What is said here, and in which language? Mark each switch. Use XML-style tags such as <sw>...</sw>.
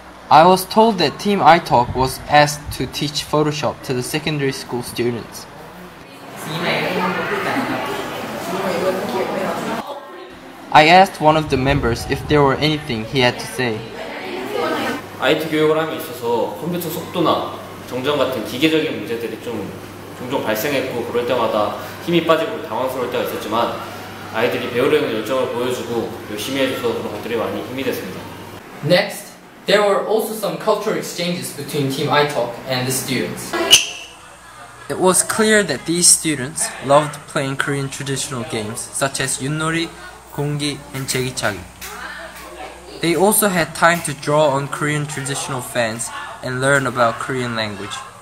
<en>I was told that Team Italk was asked to teach Photoshop to the secondary school students. I asked one of the members if there were anything he had to say.</en> <ko>IT 교육을 함에 있어서 컴퓨터 속도나 정전 같은 기계적인 문제들이 좀 종종 발생했고 그럴 때마다 힘이 빠지고 당황스러울 때가 있었지만 아이들이 배우려는 열정을 보여주고 열심히 해줘서 그런 것들이 많이 힘이 됐습니다.</ko> <en>Next, there were also some cultural exchanges between Team Italk and the students. It was clear that these students loved playing Korean traditional games such as 윷놀이, 공기, and 제기차기. They also had time to draw on Korean traditional fans and learn about Korean language.</en>